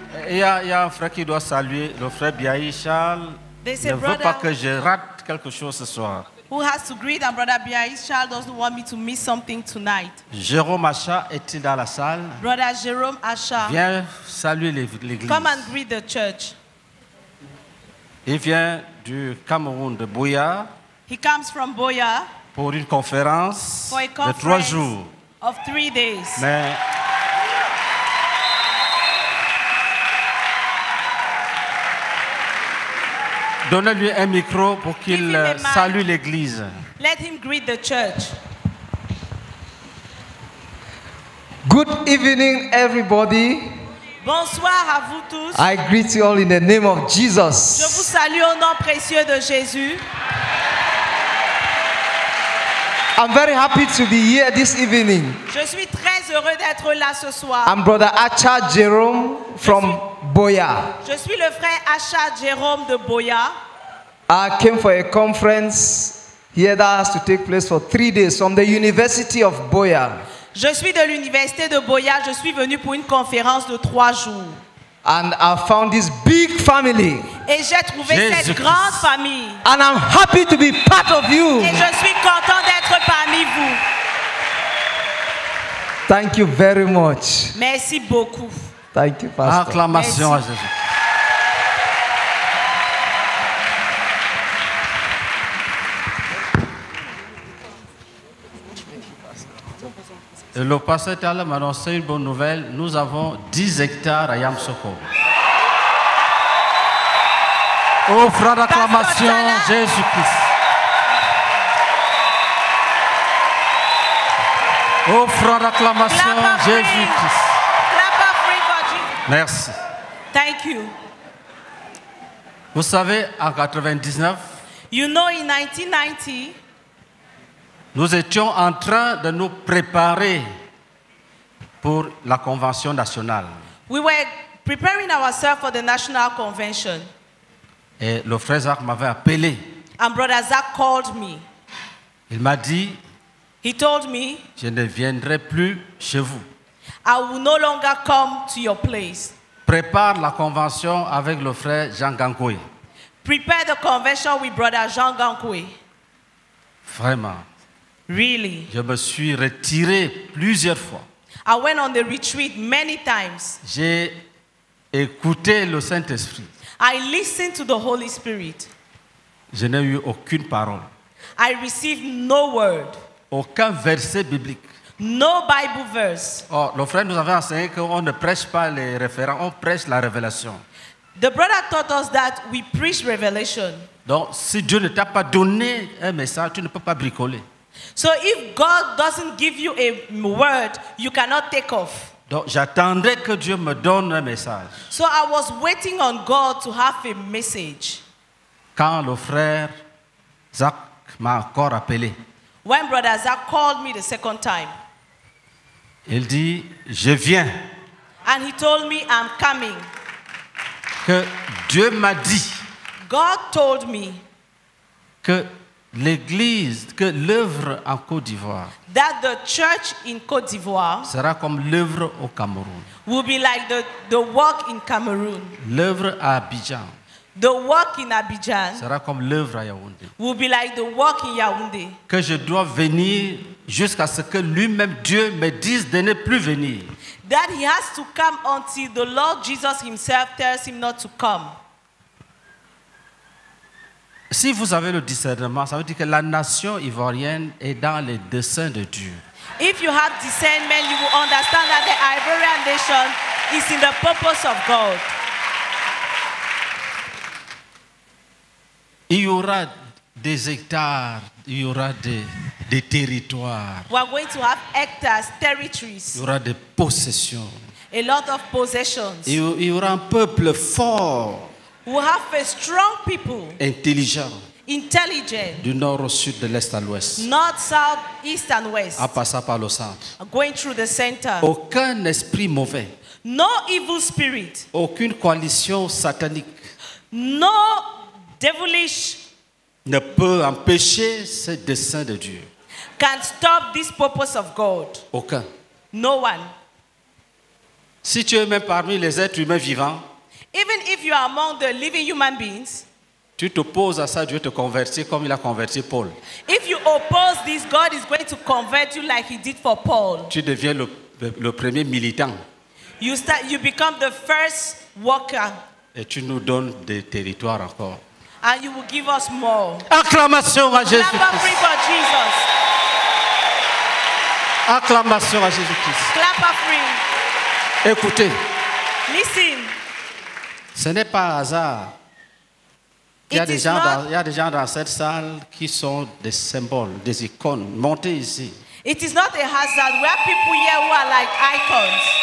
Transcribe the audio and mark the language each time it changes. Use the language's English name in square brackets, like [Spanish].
[French] Il y a un frère qui doit saluer le frère Biaï Charles. Ne veut pas que je rate quelque chose ce soir. [English] Who has to greet and brother Biaï Charles doesn't want me to miss something tonight. [French] Jérôme Acha est-il dans la salle? [English] Brother Jérôme Acha. [French] Viens saluer l'église. [English] Come and greet the church. [French] Il vient du Cameroun de Boya. [English] He comes from Boya. [French] Pour une conférence de 3 jours. [English] Of 3 days. [French] Mais donnez-lui un micro pour qu'il salue l'église. [English] Let him greet the church. Good evening, everybody. [French] Bonsoir à vous tous. [English] I greet you all in the name of Jesus. [French] Je vous salue au nom précieux de Jésus. [English] I'm very happy to be here this evening. [French] Je suis très heureux d'être là ce soir. [English] I'm Brother Acha Jérôme from Boya. [French] Je suis le frère Acha Jérôme de Boya. [English] I came for a conference here that has to take place for 3 days from the University of Boya. [French] Je suis de l'université de Boya. Je suis venu pour une conférence de 3 jours. [English] And I found this big family. [French] Et j'ai trouvé cette grande famille. [English] And I'm happy to be part of you. [French] Et je suis content d'être parmi vous. [English] Thank you very much. [French] Merci beaucoup. [English] Thank you, Pastor. [French] Acclamation à Jésus. Le pasteur Tala m'a annoncé une bonne nouvelle. Nous avons 10 hectares à Yamsoko. Offre d'acclamation, Jésus-Christ. Offre d'acclamation, Jésus-Christ. Merci. [English] Thank you. [French] Vous savez, en 99, [English] you know, in 1990, [French] nous étions en train de nous préparer pour la convention nationale. [English] We were preparing ourselves for the national convention. [French] Et le frère Zach m'avait appelé. [English] And brother Zach called me. [French] Il m'a dit, [English] he told me, [French] je ne viendrai plus chez vous. [English] I will no longer come to your place. [French] Prépare la convention avec le frère Jean Gankoué. [English] Prepare the convention with brother Jean Gankoué. [French] Vraiment. [English] Really. [French] Je me suis retiré plusieurs fois. [English] I went on the retreat many times. [French] J'ai écouté le Saint-Esprit. [English] I listened to the Holy Spirit. [French] Je n'ai eu aucune parole. [English] I received no word. [French] Aucun verset biblique. [English] No Bible verse. [French] Oh, le frère nous avait enseigné qu'on ne prêche pas les référents, on prêche la révélation. [English] The brother taught us that we preach revelation. [French] Donc, si Dieu ne t'a pas donné un message, tu ne peux pas bricoler. [English] So if God doesn't give you a word, you cannot take off. [French] Donc, j'attendrai que Dieu me donne un message. [English] So I was waiting on God to have a message. [French] Quand le frère Zach m'a encore appelé. [English] When brother Zach called me the second time. [French] Il dit, je viens. [English] And he told me, I'm coming. [French] Que Dieu m'a dit. [English] God told me. [French] Que l'église, que l'œuvre en Côte d'Ivoire. [English] That the church in Côte d'Ivoire. [French] Sera comme l'œuvre au Cameroun. [English] Will be like the work in Cameroon. [French] L'œuvre à Abidjan. [English] The work in Abidjan [French] sera comme l'œuvre à Yaoundé. [English] Will be like the work in Yaoundé. [French] Que je dois venir jusqu'à ce que lui-même Dieu me dise de ne plus venir. [English] That he has to come until the Lord Jesus himself tells him not to come. [French] Si vous avez le discernement, ça veut dire que la nation ivoirienne est dans les desseins de Dieu. [English] If you have discernment, you will understand that the Ivorian nation is in the purpose of God. [French] Il y aura des hectares, il y aura des territoires. [English] We are going to have hectares, territories. [French] Il y aura des possessions. [English] A lot of possessions. [French] Il y aura un peuple fort. [English] We have a strong people. [French] Intelligent. [English] intelligent. [French] Du nord au sud, de l'est à l'ouest. [English] North, south, east and west. [French] En passant par le centre. [English] Going through the center. [French] Aucun esprit mauvais. [English] No evil spirit. [French] Aucune coalition satanique. [English] No devilish. [French] Ne peut empêcher ce dessein de Dieu. [English] Can stop this purpose of God. [French] Aucun. [English] No one. [French] Si tu es même parmi les êtres humains vivants, [English] even if you are among the living human beings, [French] tu t'opposes à ça, Dieu te convertit comme il a converti Paul. [English] If you oppose this, God is going to convert you like he did for Paul. [French] Tu deviens le premier militant. [English] You become the first worker. [French] Et tu nous donnes des territoires encore. [English] And you will give us more. [French] Acclamation à Jésus. [English] Clap offering for Jesus. [French] Acclamation à Jésus Christ. [English] Clap offering. [French] Écoutez. [English] Listen. [French] Ce n'est pas hasard. Il y a des gens dans cette salle qui sont des symboles, des icônes. Montez ici. [English] It is not a hazard. We have people here who are like icons.